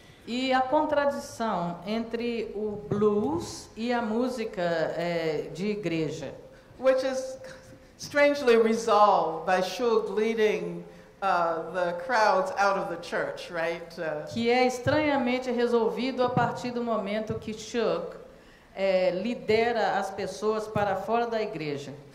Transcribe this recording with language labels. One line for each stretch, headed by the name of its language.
Portuguese: E a contradição entre o blues e a música de igreja.
English: Which is strangely resolved by Shug leading the crowds out of the church, right?
Portuguese: Que é estranhamente resolvido a partir do momento que Shug lidera as pessoas para fora da igreja.